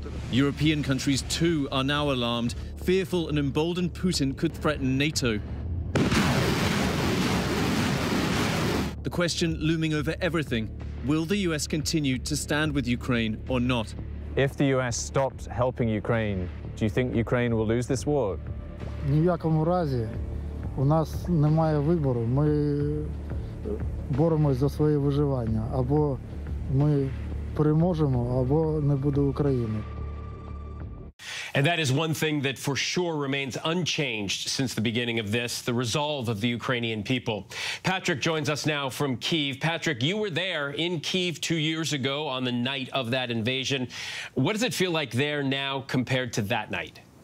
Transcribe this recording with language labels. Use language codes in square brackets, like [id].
[en] European countries, too, are now alarmed, fearful an emboldened Putin could threaten NATO. The question looming over everything, will the US continue to stand with Ukraine or not? If the US stops helping Ukraine, do you think Ukraine will lose this war? [uk] Ні в якому разі у нас немає вибору. Ми боремось за своє виживання. Або ми переможемо, або не буде України. [en] And that is one thing that for sure remains unchanged since the beginning of this, the resolve of the Ukrainian people. Patrick joins us now from Kyiv. Patrick, you were there in Kyiv 2 years ago on the night of that invasion. What does it feel like there now compared to that night?